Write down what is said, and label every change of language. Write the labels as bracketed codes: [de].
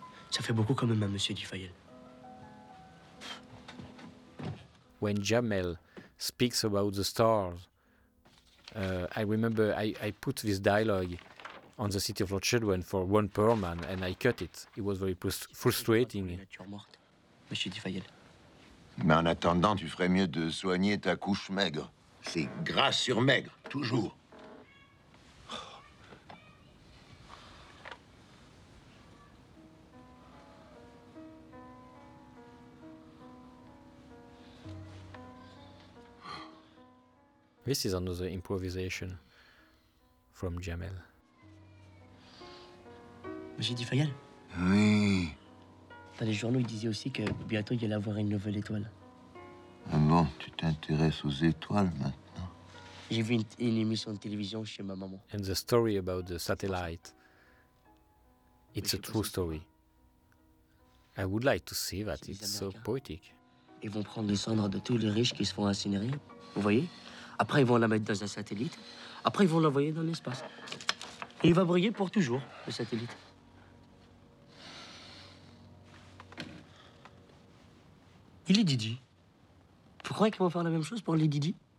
[fr] Ça fait beaucoup quand même à Monsieur Dufayel. [en] When Jamel speaks about the stars, I remember I put this dialogue on the City of Lost Children for one poor man, and I cut it. It was very frustrating. [fr] Monsieur Dufayel. Mais en attendant, tu ferais mieux de soigner ta couche maigre. C'est gras sur maigre, toujours. [en] This is another improvisation from Jamel. [fr] Monsieur Dufayel? Oui. Dans les journaux, il disait aussi que bientôt il allait avoir une nouvelle étoile. Ah bon, tu t'intéresses aux étoiles maintenant? J'ai vu une émission de télévision chez ma maman. [en] And the story about the satellite, it's a true story. I would like to see that, it's so poetic. [fr] Ils vont prendre les cendres de tous les riches qui se font incinérer, vous voyez? Après, ils vont la mettre dans un satellite. Après, ils vont l'envoyer dans l'espace. Et il va briller pour toujours, le satellite. Lady Di. Vous croyez qu'ils vont faire la même chose pour Lady Di?